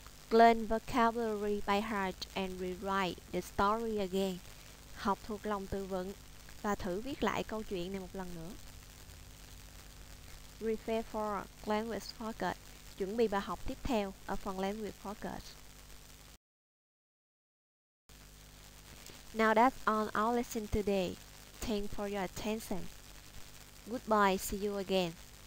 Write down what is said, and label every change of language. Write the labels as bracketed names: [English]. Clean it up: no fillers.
[English] Learn vocabulary by heart and rewrite the story again. [Vietnamese] Học thuộc lòng từ vựng và thử viết lại câu chuyện này một lần nữa. [English] Prepare for language focus. [Vietnamese] Chuẩn bị bài học tiếp theo ở phần language focus. [English] Now that's all our lesson today. Thanks for your attention. Goodbye, see you again.